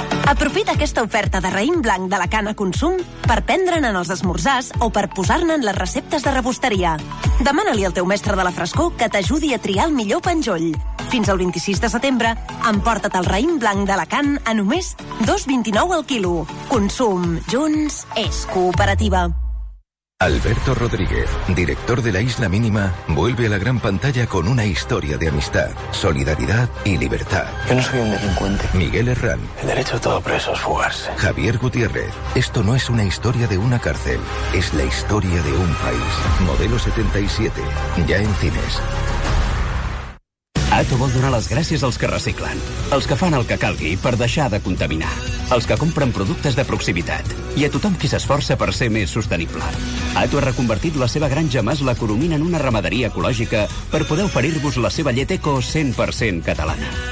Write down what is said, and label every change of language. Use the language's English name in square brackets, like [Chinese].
[Catalan] Aprofita aquesta oferta de raïm blanc de la Cana Consum per prendre'n en els esmorzars o per posar-ne en les receptes de rebosteria. Demana-li al teu mestre de la frescor que t'ajudi a triar el millor penjoll. Fins al 26 de setembre, emporta't el raïm blanc d'Alacant a només 2,29 al quilo. Consum. Junts. És cooperativa. [Spanish] Alberto Rodríguez, director de La Isla Mínima, vuelve a la gran pantalla con una historia de amistad, solidaridad y libertad. Yo no soy un delincuente. Miguel Herrán. El derecho de todo preso es fugarse. Javier Gutiérrez. Esto no es una historia de una cárcel, es la historia de un país. Modelo 77. Ya en cines. [Catalan] Ato vol donar les gràcies als que reciclen, als que fan el que calgui per deixar de contaminar, als que compren productes de proximitat i a tothom qui s'esforça per ser més sostenible. Ato ha reconvertit la seva granja Mas La Coromina en una ramaderia ecològica per poder oferir-vos la seva llet eco 100% catalana.